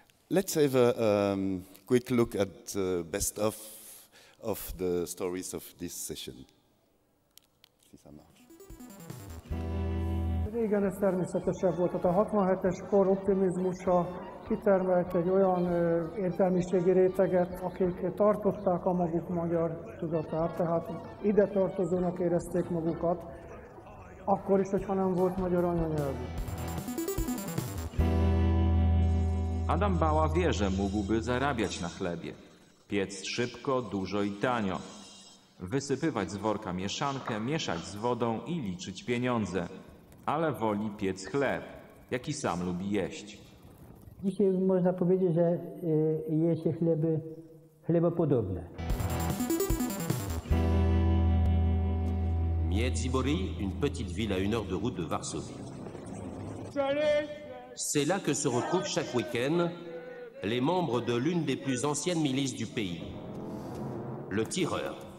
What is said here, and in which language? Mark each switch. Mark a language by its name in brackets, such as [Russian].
[English] Let's have a quick look at the best of the stories of this session. [Hungarian] Régen ez természetesebb volt, tehát a 67-es kor optimizmusa kitermelt egy olyan értelmiségi réteget, akik tartották a maguk magyar tudatát, tehát ide tartozónak érezték magukat, akkor is, hogyha nem volt magyar anyanyelvű. [Polish] Adam Bała wie, że mógłby zarabiać na chlebie. Piec szybko, dużo i tanio. Wysypywać z worka mieszankę, mieszać z wodą i liczyć pieniądze. Ale woli piec chleb, jaki sam lubi jeść. Dzisiaj można powiedzieć, że je się chleby chlebopodobne. [French] Międzybory, une petite ville à une heure de route de Varsovie. C'est là que se retrouvent chaque week-end les membres de l'une des plus anciennes milices du pays, le tireur.